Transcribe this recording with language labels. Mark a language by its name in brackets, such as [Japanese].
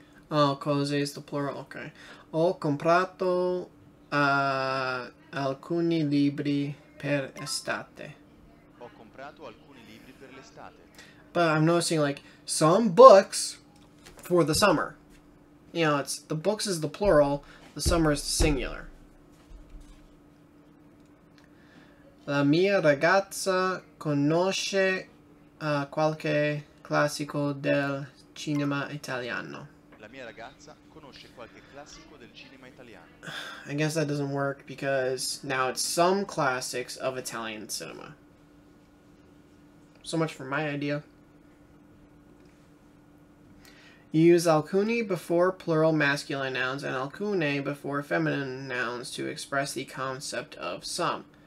[English] Oh, cose is the plural, okay. [Italian] Ho comprato alcuni libri per estate. Ho comprato alcuni libri per l'estate. [English] But I'm noticing, like, some books for the summer. It's the books is the plural, the summer is the singular. [Italian] La mia ragazza conosce qualche classico del cinema italiano. La mia ragazza conosce qualche classico del cinema italiano. [English] I guess that doesn't work because now it's some classics of Italian cinema. So much for my idea. You use alcuni before plural masculine nouns and alcune before feminine nouns to express the concept of some.